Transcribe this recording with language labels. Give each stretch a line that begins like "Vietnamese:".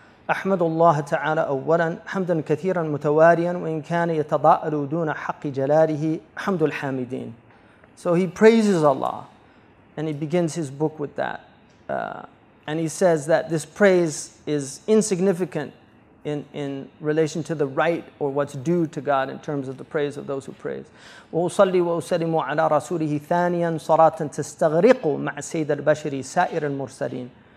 Arabic: أحمد الله تعالى أولا حمدا كثيرا متواريا وإن كان يتضاءل دون حق جلاله حمد الحامدين.
English: So he praises Allah and he begins his book with that. And he says that this praise is insignificant in relation to the right or what's due to God in terms of the praise of those who praise.
Arabic: وأصلي وأسلم على رسوله ثانيا صلاة تستغرق مع سيد البشر سائر المرسلين.